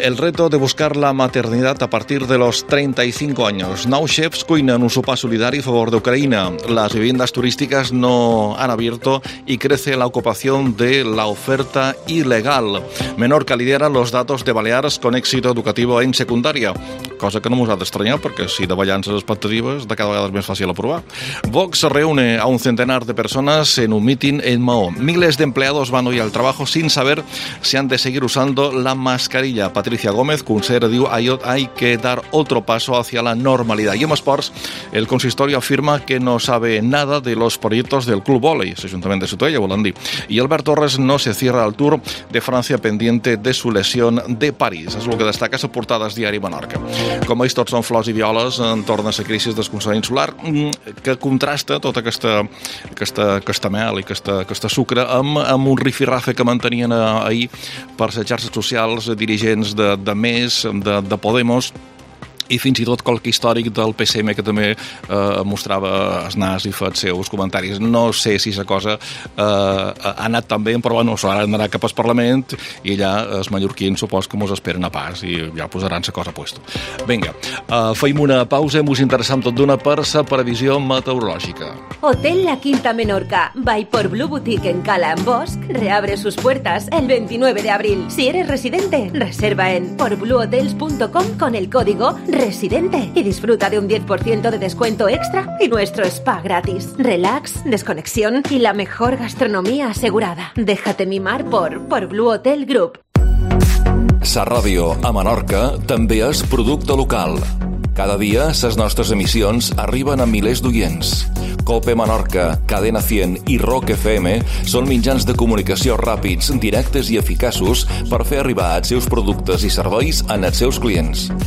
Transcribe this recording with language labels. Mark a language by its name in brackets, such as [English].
[Spanish] El reto de buscar la maternidad a partir de los 35 años. [Catalan] Now Chefs cuinan un sopar solidari a favor de Ucraina. [Spanish] Las viviendas turísticas no han abierto y crece la ocupación de la oferta ilegal. Menorca lidera los datos de Balears con éxito educativo en secundaria. [Catalan] Cosa que no m'ho ha d'estranyar perquè si davallant les expectatives, de cada vegada és més fàcil aprovar. [Spanish] Vox se reúne a un centenar de persones en un mítin en Maó. Miles de empleados van hoy al trabajo sin saber si han de seguir usando la mascarilla. Patricia Gómez, consejera, diu hay que dar otro paso hacia la normalidad. [Catalan] I en esports, [Spanish] el consistorio afirma que no sabe nada de los proyectos del Club Vóley, [Catalan] l'Ajuntament de Ciutadella, volen dir. [Spanish] I Albert Torres no se cierra al Tour de Francia pendiente de su lesión de París. [Catalan] És el que destaca la portada del diari Menorca. Com veus, tots són flors i violes entorn de la crisi d'escolçament insular, que contrasta tota aquesta mel i aquesta sucre amb un rifirrafe que mantenien ahir per les xarxes socials dirigents de Més, de Podemos, i fins i tot qualque històric del PSM que també mostrava els nas i fet seus comentaris. No sé si la cosa ha anat tan bé, però bueno, ara anarà cap al Parlament i allà els mallorquins supos que mos esperen a pas i ja posaran la cosa a puesto. Vinga, feim una pausa i mos interessam tot d'una per la previsió meteorològica. [Spanish] Hotel La Quinta Menorca, by por Blue Boutique en Cala en Bosch, reabre sus puertas el 29 de abril. Si eres residente, reserva en porbluehotels.com con el código Residente y disfruta de un 10% de descuento extra y nuestro spa gratis. Relax, desconexión y la mejor gastronomía asegurada. Déjate mimar por Blue Hotel Group. [Catalan] Sa ràdio a Menorca també és producte local. Cada dia les nostres emissions arriben a milers d'oients. COPE Menorca, Cadena 100 i Rock FM són mitjans de comunicació ràpids, directes i eficaços per fer arribar els seus productes i serveis als seus clients.